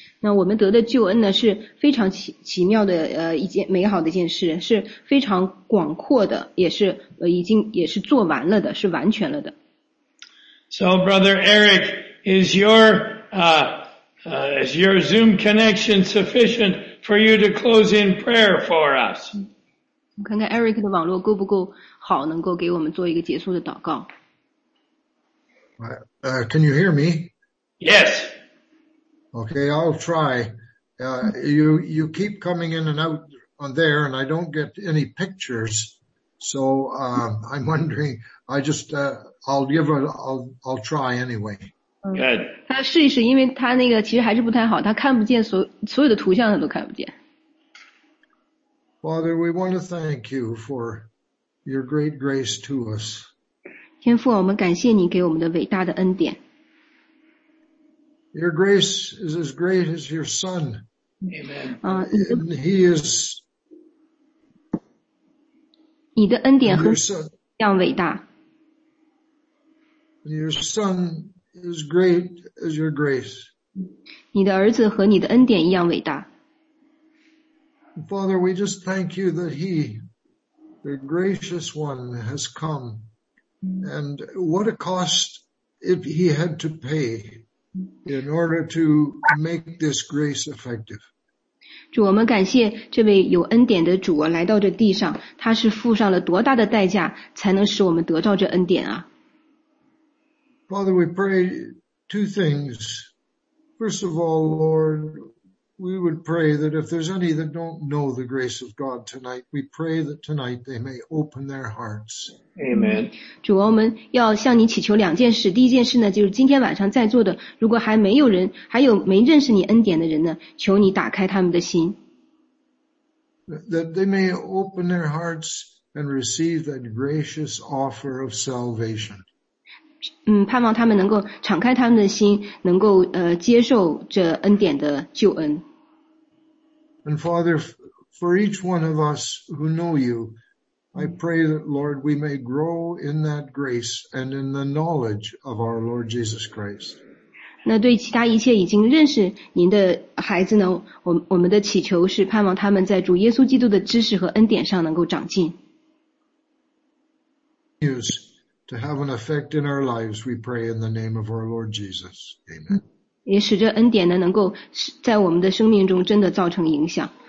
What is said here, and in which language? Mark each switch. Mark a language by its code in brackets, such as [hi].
[zh] 那我们得的救恩呢，是非常奇妙的一件美好的一件事，是非常广阔的，也是已经也是做完了的，是完全了的。 [en] So, Brother Eric, is your is your Zoom connection sufficient for you to close in prayer for us? [zh] 看看 Eric 的网络够不够好，能够给我们做一个结束的祷告。 [en] Can you hear me? Yes. Okay, I'll try. You keep coming in and out on there, and I don't get any pictures. So I'm wondering. I'll try anyway. Good. [zh] 他试一试，因为他那个其实还是不太好，他看不见所有的图像，他都看不见。 [en] Father, we want to thank you for your great grace to us. [zh] 天父，我们感谢你给我们的伟大的恩典。 [en] Your grace is as great as your Son. Amen. And He is. [zh] 你的恩典和一样伟大。 [en] Your Son is great as your grace. [zh] 你的儿子和你的恩典一样伟大。 [en] Father, we just thank you that He, the gracious one, has come. And what a cost if He had to pay in order to make this grace effective. [zh] 主，我们感谢这位有恩典的主啊，来到这地上，他是付上了多大的代价，才能使我们得到这恩典啊。 [en] Father, we pray two things. First of all, Lord, we would pray that if there's any that don't know the grace of God tonight, we pray that tonight they may open their hearts. Amen. [zh] 主，我们要向你祈求两件事。第一件事呢，就是今天晚上在座的，如果还没有人，还有没认识你恩典的人呢，求你打开他们的心。 [en] That they may open their hearts and receive that gracious offer of salvation. [zh] 盼望他们能够敞开他们的心，能够接受这恩典的救恩。 [en] And Father, for each one of us who know you, I pray that, Lord, we may grow in that grace and in the knowledge of our Lord Jesus Christ. [zh] 那对其他一切已经认识您的孩子呢，我们的祈求是盼望他们在主耶稣基督的知识和恩典上能够长进。 [en] Yes. To have an effect in our lives, we pray in the name of our Lord Jesus. Amen. [zh] 也使这恩典呢，能够在我们的生命中真的造成影响。